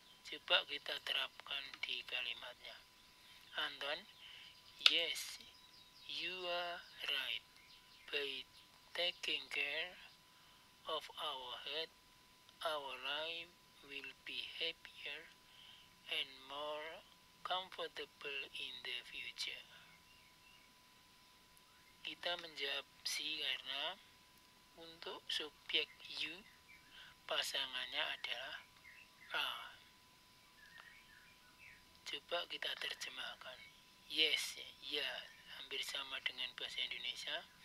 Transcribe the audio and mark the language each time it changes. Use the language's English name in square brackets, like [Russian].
[Indonesian] Coba kita terapkan di kalimatnya. [English] Anton, yes, you are right. By taking care of our health, our life will be happier and more comfortable in the future. [Indonesian] Kita menjawab si karena untuk subjek you, pasangannya adalah A. Coba kita terjemahkan. Yes, ya, hampir sama dengan bahasa Indonesia.